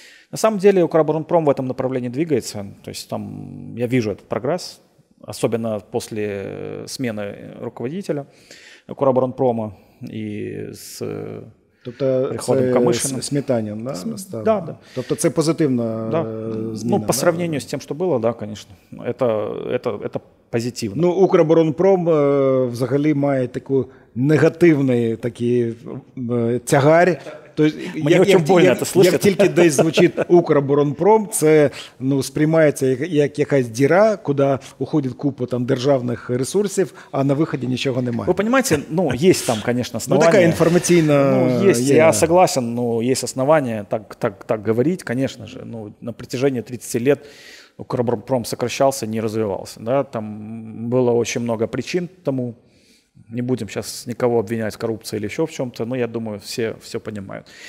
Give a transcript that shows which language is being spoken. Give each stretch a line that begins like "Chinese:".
Russian: На самом деле Укроборонпром в этом направлении двигается, то есть там я вижу этот прогресс, особенно после смены руководителя Укроборонпрома и с
Ukrainian: тобто приходом Камышина.
Russian: Сметанием, да? Да. То есть это позитивно? Да. Змена, ну, по сравнению с тем, что было, да, конечно. Это позитивно.
Ukrainian: Ну, Укроборонпром взагалі має таку негативний такий тягар. Тобто, мені дуже больно це слухати. Як тільки десь звучить Укроборонпром, це ну, сприймається як якась діра, куди уходить купа там, державних ресурсів, а на виході нічого немає. Ви розумієте, ну, є там, звісно, основання. Ну, така інформаційна... Ну, є, я согласен, ну, є основання так говорити, звісно ж.
Russian: Ну, на протяжении 30 лет Укроборонпром сокращался, не развивался. Да? Там было очень много причин тому. Не будем сейчас никого обвинять в коррупции или еще в чем-то, но я думаю, все понимают.